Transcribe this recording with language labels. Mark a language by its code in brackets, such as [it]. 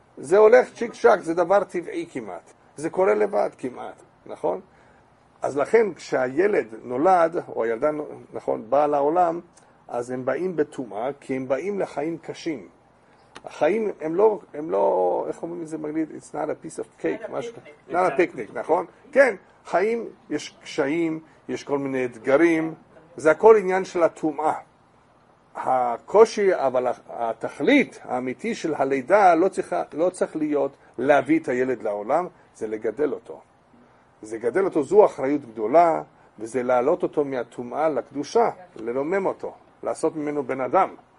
[he] זה הולך צ'יק שק, זה דבר טבעי כמעט. זה קורה לבד כמעט, נכון? אז לכן כשהילד נולד, או הילדה, נכון, באה לעולם, אז הם באים בתומה, כי הם באים לחיים קשים. החיים הם לא, איך אומרים את זה מגליד? [en] It's not a piece of cake, [he] משהו. [en] Not a picnic, [he] נכון? כן, חיים, יש קשיים, יש כל מיני אתגרים, זה הכל עניין של התומה. הקושי, אבל התכלית האמיתי של הלידה לא צריך להיות להביא את הילד לעולם, זה לגדל אותו. זה גדל אותו, זו אחריות גדולה, וזה להעלות אותו מהטומאה לקדושה, לרומם אותו, לעשות ממנו בן אדם.